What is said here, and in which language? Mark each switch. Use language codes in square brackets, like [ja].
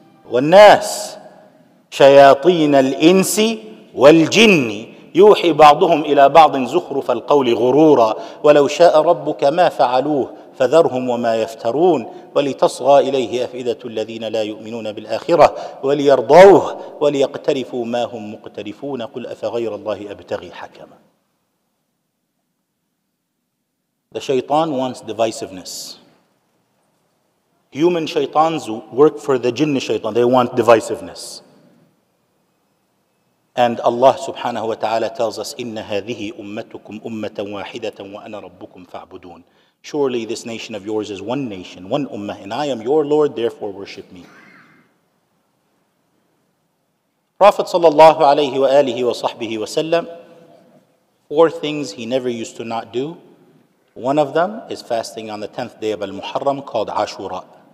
[ar] وَالنَّاسِ شَيَاطِينَ الْإِنْسِ وَالْجِنِّ يُوحِي بَعْضُهُمْ إِلَى بَعْضٍ زُخْرُفَ الْقَوْلِ غُرُورًا وَلَوْ شَاءَ رَبُّكَ مَا فَعَلُوهُ فَذَرْهُمْ وَمَا يَفْتَرُونَ وَلِتَصْغَى إِلَيْهِ أَفْئِدَةُ الَّذِينَ لَا يُؤْمِنُونَ بِالْآخِرَةِ وَلِيَرْضَوْهُ وَلِيَقْتَرِفُوا مَا هُمْ مُقْتَرِفُونَ قُلْ أَفَغَيْرَ اللَّهِ أَبْتَغِي حَكَمًا. [en] The shaitan wants divisiveness. Human shaitans work for the jinn shaitan. They want divisiveness. And Allah subhanahu wa ta'ala tells us, [ar] إِنَّ هَذِهِ أُمَّتُكُمْ أُمَّةً وَاحِدَةً وَأَنَا رَبُّكُمْ فَاعْبُدُونَ. [en] Surely this nation of yours is one nation, one ummah, and I am your Lord, therefore worship me. Prophet sallallahu alayhi wa alihi wa sahbihi wa sallam, four things he never used to not do. One of them is fasting on the 10th day of Al-Muharram called Ashura.